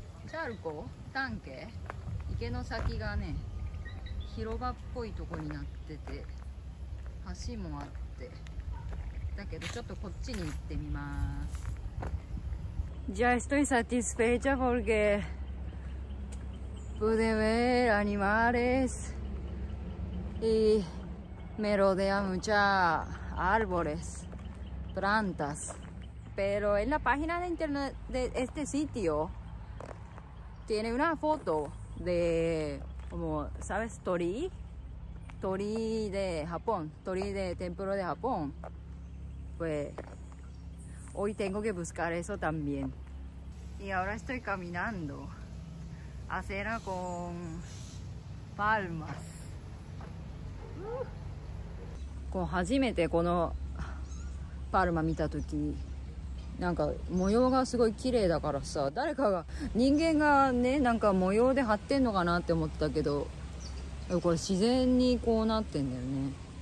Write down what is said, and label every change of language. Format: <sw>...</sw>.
<ja>チャルコ？タンケ？池の先がね、広場っぽいとこになってて、橋もあって。だけどちょっとこっちに行ってみます。</ja> <es>Ya estoy satisfecha porque pude ver animales y me rodea mucha árboles, plantas. Pero en la página de internet de este sitio tiene una foto de como sabes tori, tori de Japón, tori de templo de Japón. Pues hoy tengo que buscar eso también. Y ahora estoy caminando acera con palmas. Como,</es> <ja>初めてこのパルマ見た時、なんか模様がすごい綺麗だからさ、誰かが人間がね、なんか模様で貼ってんのかなって思ったけど、これ自然にこうなってんだよね。</ja>